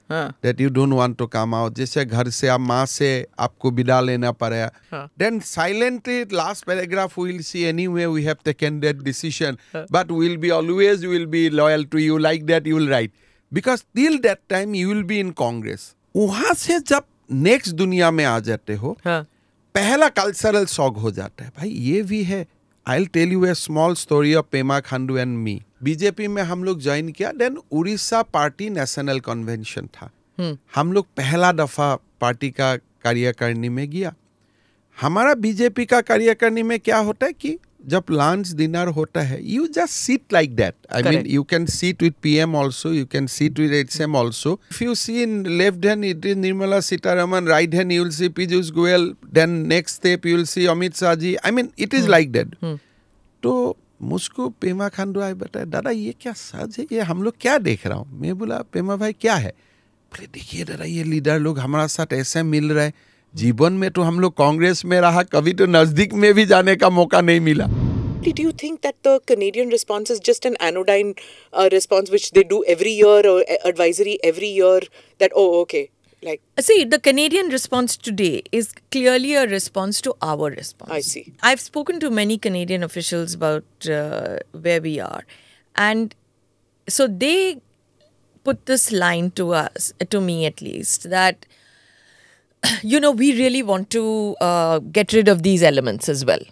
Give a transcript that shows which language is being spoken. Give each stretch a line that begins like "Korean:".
English: That you don't want to come out.
Hindi: Jaise ghar se, ab maa se, aapko bida lena padeya.
English: Then silently, last paragraph, we'll see anyway, we have taken that decision. But we'll be always, we'll be loyal to you, like that you'll write. Because till that time, you will be in Congress.
Hindi: वहाँ से जब next दुनिया में आ जाते हो पहला cultural shock हो जाता है भाई ये भी है
English: I will tell you a small story of Pema Khandu and me
Hindi: BJP में हम लोग ज्वाइन किया then Orissa party national convention था हम लोग पहला दफा पार्टी का कार्यकारिणी में गया हमारा बीजेपी का कार्यकारिणी में क्या होता है
English: कि जब lunch dinner होता है you just sit like that I mean you can sit with PM also you can sit with HM also if you see in left hand it is Nirmala Sitharaman right hand you will see Piyush Goyal then next step you will see Amit Shah ji I mean it is like that
Hindi: तो मुझको पेमा खांडू आई बताया दादा ये क्या सच है ये हम लोग क्या देख रहा हूँ मैं बोला पेमा भाई क्या है बोले देखिए दादा ये लीडर लोग हमारा साथ ऐसे मिल रहे हैं जीवन में तो हम लोग कांग्रेस में रहा कभी तो नजदीक में भी जाने का मौका नहीं मिला
English: Did you think that the Canadian response is just an anodyne response which they do every year or advisory every year that oh okay like see the Canadian response today is clearly a response to our response I see I've spoken to many Canadian officials about where we are and so they put this line to us to me at least that You know, we really want to get rid of these elements as well.